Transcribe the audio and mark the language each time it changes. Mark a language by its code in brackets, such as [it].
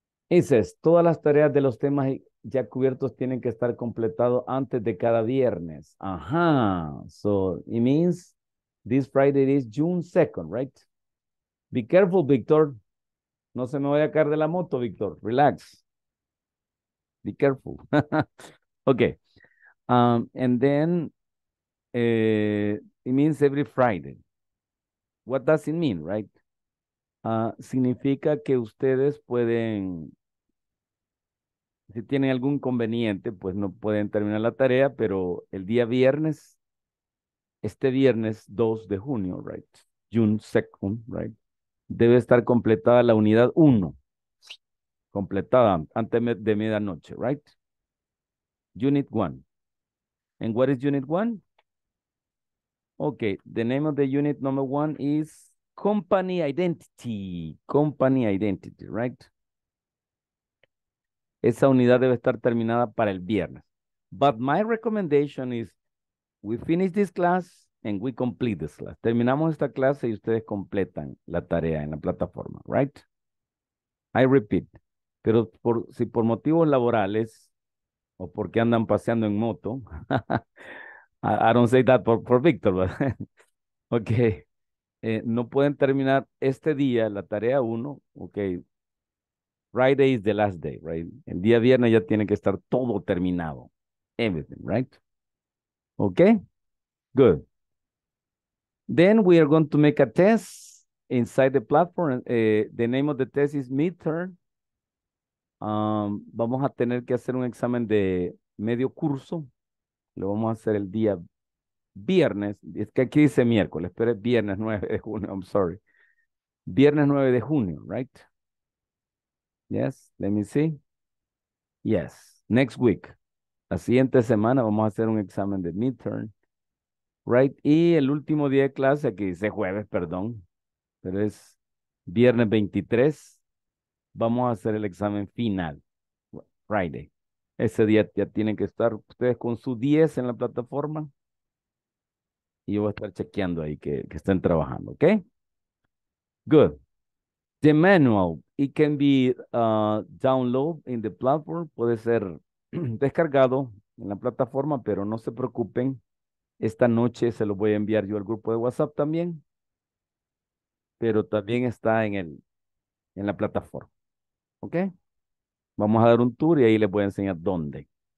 [en] It says, [es] todas las tareas de los temas ya cubiertos tienen que estar completados antes de cada viernes. Ajá. [en] So, it means this Friday is June 2nd, right? Be careful, Victor. [es] No se me vaya a caer de la moto, Victor. [en] Relax. Be careful. Okay. And then, it means every Friday. What does it mean, right? [es] Significa que ustedes pueden... Si tienen algún inconveniente, pues no pueden terminar la tarea, pero el día viernes, este viernes 2 de junio, right? [en] June 2nd, right? [es] Debe estar completada la unidad 1. Completada antes de medianoche, right? Unit 1. [en] And what is unit 1? Okay, the name of the unit number 1 is Company Identity. Company Identity, right? [es] Esa unidad debe estar terminada para el viernes. [en] But my recommendation is we finish this class and we complete this class. [es] Terminamos esta clase y ustedes completan la tarea en la plataforma, right? [en] I repeat. [es] Pero por, si por motivos laborales o porque andan paseando en moto, [en] I don't say that for Victor, but okay. [es] No pueden terminar este día la tarea 1, okay. [en] Friday is the last day, right? [es] El día viernes ya tiene que estar todo terminado. [en] Everything, right? Okay? Good. Then we are going to make a test inside the platform. The name of the test is midterm. [es] Vamos a tener que hacer un examen de medio curso. Lo vamos a hacer el día viernes. Es que aquí dice miércoles, pero es viernes 9 de junio. [en] I'm sorry. [es] Viernes 9 de junio, [en] right? Yes, let me see. Yes, next week. [es] La siguiente semana vamos a hacer un examen de midterm. Right? Y el último día de clase, aquí dice jueves, perdón, pero es viernes 23, vamos a hacer el examen final, Friday. Ese día ya tienen que estar ustedes con su 10 en la plataforma y yo voy a estar chequeando ahí que estén trabajando, ¿ok? [en] Good. The manual, it can be downloaded in the platform. [es] Puede ser descargado en la plataforma, pero no se preocupen. Esta noche se lo voy a enviar yo al grupo de WhatsApp también. Pero también está en el en la plataforma. ¿Ok? Vamos a dar un tour y ahí les voy a enseñar dónde.